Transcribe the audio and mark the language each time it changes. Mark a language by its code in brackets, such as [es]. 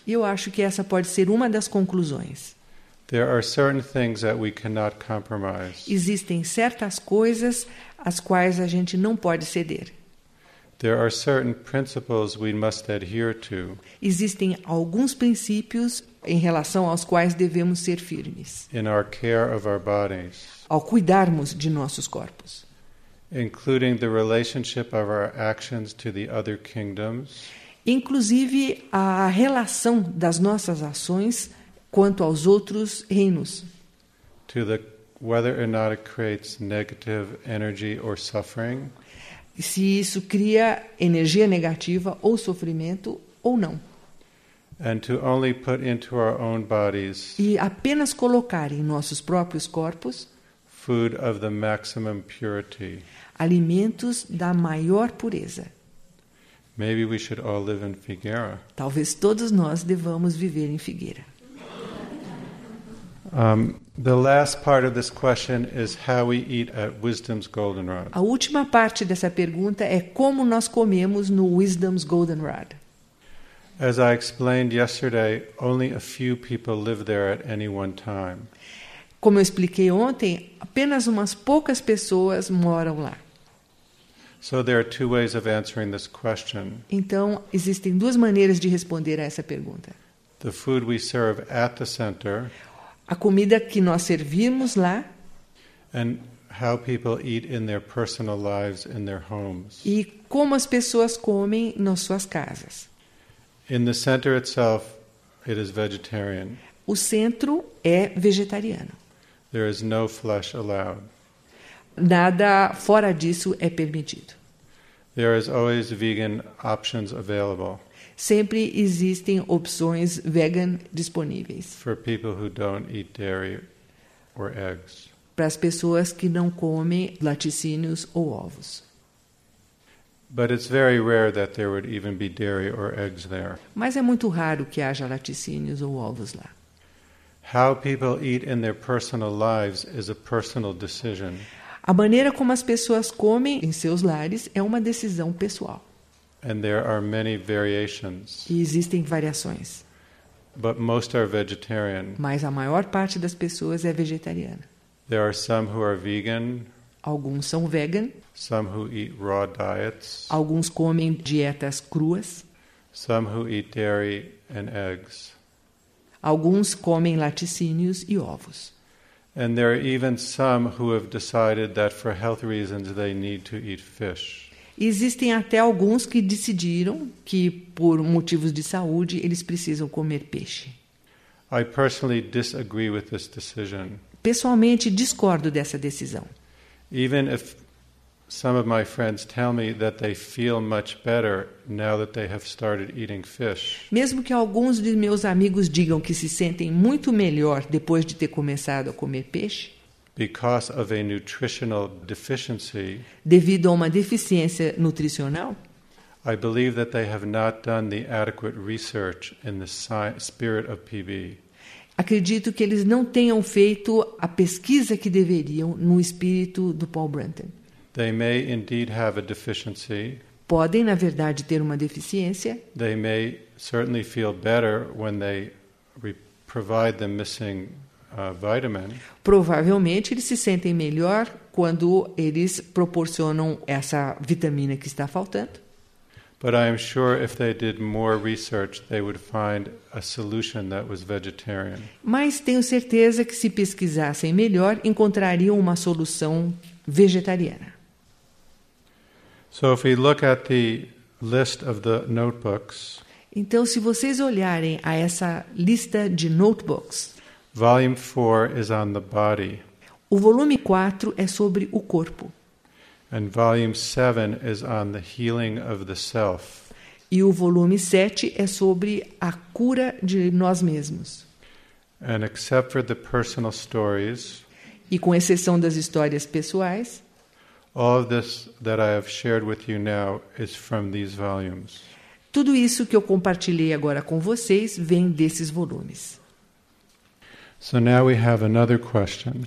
[pt] E eu acho que essa pode ser uma das conclusões. [en] There are certain things that we cannot compromise. [pt] Existem certas coisas às quais a gente não pode ceder. [en] There are certain principles we must adhere to. [pt] Existem alguns princípios em relação aos quais devemos ser firmes. [en] In our care of our bodies. [pt] Ao cuidarmos de nossos corpos. [en] Including the relationship of our actions to the other kingdoms. [pt] Inclusive a relação das nossas ações quanto aos outros reinos. [en] To the, whether or not it creates negative energy or suffering. [pt] Se isso cria energia negativa ou sofrimento ou não. [en] And to only put into our own bodies. [pt] E apenas colocar em nossos próprios corpos. [en] Food of the maximum purity. [pt] Alimentos da maior pureza. [en] Maybe we should all live in Figueira. [pt] Talvez todos nós devamos viver em Figueira. [en] The last part of this question is how we eat at Wisdom's Goldenrod. [pt] A última parte dessa pergunta é como nós comemos no Wisdom's Goldenrod. [en] As I explained yesterday, only a few people live there at any one time. [pt] Como eu expliquei ontem, apenas umas poucas pessoas moram lá. [en] So there are two ways of answering this question. [pt] Então, existem duas maneiras de responder a essa pergunta. [en] The food we serve at the center. [pt] A comida que nós servimos lá. [en] And how people eat in their personal lives in their homes. [pt] E como as pessoas comem nas suas casas. [en] In the center itself, it is vegetarian. [pt] O centro é vegetariano. [en] There is no flesh allowed. [pt] Nada fora disso é permitido. [en] There is always vegan options available. [pt] Sempre existem opções vegan disponíveis. [en] For people who don't eat dairy or eggs. [pt] Para as pessoas que não comem laticínios ou ovos. [en] But it's very rare that there would even be dairy or eggs there. [pt] Mas é muito raro que haja laticínios ou ovos lá. [en] How people eat in their personal lives is a personal decision. [pt] A maneira como as pessoas comem em seus lares é uma decisão pessoal. [en] And there are many variations. [pt] E existem variações. [en] But most are vegetarian. [pt] Mas a maior parte das pessoas é vegetariana. [en] There are some who are vegan. [pt] Alguns são vegan. [en] Some who eat raw diets. [pt] Alguns comem dietas cruas. [en] Some who eat dairy and eggs. [pt] Alguns comem laticínios e ovos. [en] And there are even some who have decided that for health reasons they need to eat fish. [pt] Existem até alguns que decidiram que por motivos de saúde eles precisam comer peixe. [en] I personally disagree with this decision. [pt] Pessoalmente discordo dessa decisão. [en] Even if Some of my friends tell me that they feel much better now that they have started eating fish. [pt] Mesmo que alguns de meus amigos digam que se sentem muito melhor depois de ter começado a comer peixe. [en] Because of a nutritional deficiency. [pt] Devido a uma deficiência nutricional. [en] I believe that they have not done the adequate research in the spirit of PB. [pt] Acredito que eles não tenham feito a pesquisa que deveriam no espírito do Paul Brunton. [en] They may indeed have a deficiency. [pt] Podem, na verdade, ter uma deficiência. [en] They may certainly feel better when they provide the missing vitamin. [pt] Provavelmente, eles se sentem melhor quando eles proporcionam essa vitamina que está faltando. [en] But I am sure if they did more research, they would find a solution that was vegetarian. [pt] Mas tenho certeza que se pesquisassem melhor, encontrariam uma solução vegetariana. [en] So if we look at the list of the notebooks. [pt] Então, se vocês olharem a essa lista de notebooks. [en] Volume 4 is on the body. [pt] O volume 4 é sobre o corpo. [en] And volume 7 is on the healing of the self. [pt] E o volume 7 é sobre a cura de nós mesmos. [en] And except for the personal stories. [pt] E com exceção das histórias pessoais. [en] All of this that I have shared with you now is from these volumes. [pt] Tudo isso que eu compartilhei agora com vocês vem desses volumes. [en] So now we have another question.